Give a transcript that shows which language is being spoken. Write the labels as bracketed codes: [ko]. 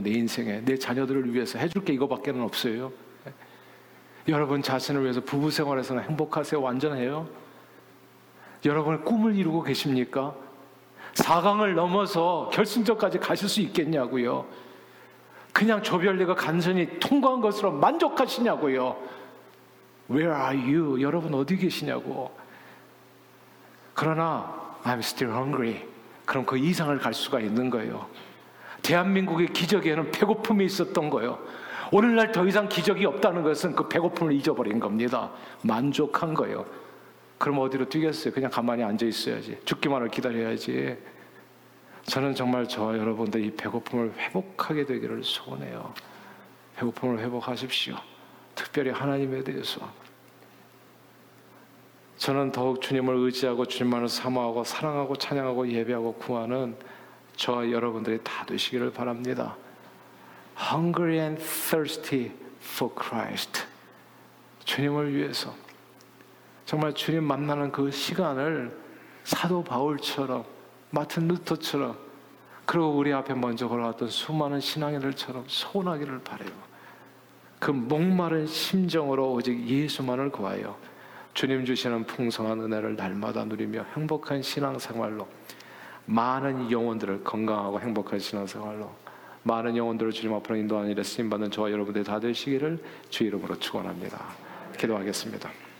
[ko] 내 인생에 내 자녀들을 위해서 해줄 게 이거밖에는 없어요. 여러분 자신을 위해서 부부 생활에서는 행복하세요? 완전해요? 여러분의 꿈을 이루고 계십니까? 4강을 넘어서 결승전까지 가실 수 있겠냐고요? 그냥 조별리그 간선히 통과한 것으로 만족하시냐고요? [en] Where are you? [ko] 여러분 어디 계시냐고? 그러나 [en] I'm still hungry. [ko] 그럼 그 이상을 갈 수가 있는 거예요. 대한민국의 기적에는 배고픔이 있었던 거예요. 오늘날 더 이상 기적이 없다는 것은 그 배고픔을 잊어버린 겁니다. 만족한 거예요. 그럼 어디로 뛰겠어요? 그냥 가만히 앉아 있어야지. 죽기만을 기다려야지. 저는 정말 저와 여러분들 이 배고픔을 회복하게 되기를 소원해요. 배고픔을 회복하십시오. 특별히 하나님에 대해서. 저는 더욱 주님을 의지하고 주님만을 사모하고 사랑하고 찬양하고 예배하고 구하는 저와 여러분들이 다 되시기를 바랍니다. [en] Hungry and thirsty for Christ. [ko] 주님을 위해서 정말 주님 만나는 그 시간을 사도 바울처럼 마틴 루터처럼 그리고 우리 앞에 먼저 걸어왔던 수많은 신앙인들처럼 소원하기를 바라요. 그 목마른 심정으로 오직 예수만을 구하여 주님 주시는 풍성한 은혜를 날마다 누리며 행복한 신앙생활로 많은 영혼들을 건강하고 행복한 신앙생활로 많은 영혼들을 주님 앞으로 인도하는 일에 쓰임받는 저와 여러분들이 다 되시기를 주 이름으로 축원합니다. 기도하겠습니다.